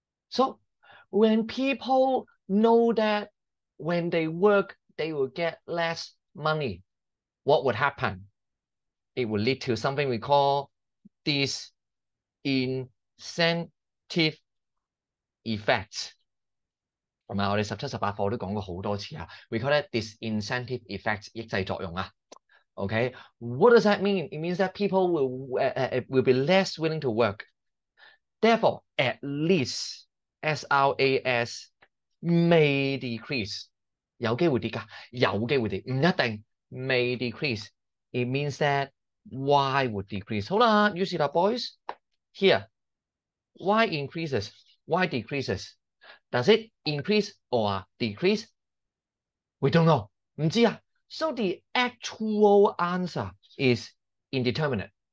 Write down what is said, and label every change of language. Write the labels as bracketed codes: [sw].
[en] So, when people know that when they work, they will get less,Money, what would happen? It would lead to something we call this incentive effect. [yue] 同埋我哋十七十八課都講過好多次啊。 [en] We call it this incentive effect, [yue] 抑制作用啊。 [en] Okay, what does that mean? It means that people will be less willing to work. Therefore, at least SRAS may decrease. [yue] 有機會跌噶，有機會跌，唔一定。 [en] May decrease, it means that Y would decrease. 好啦 ，you see that, boys? Here, Y increases, Y decreases. Does it increase or decrease? We don't know. [yue] 唔知啊。 [en] So the actual answer is indeterminate.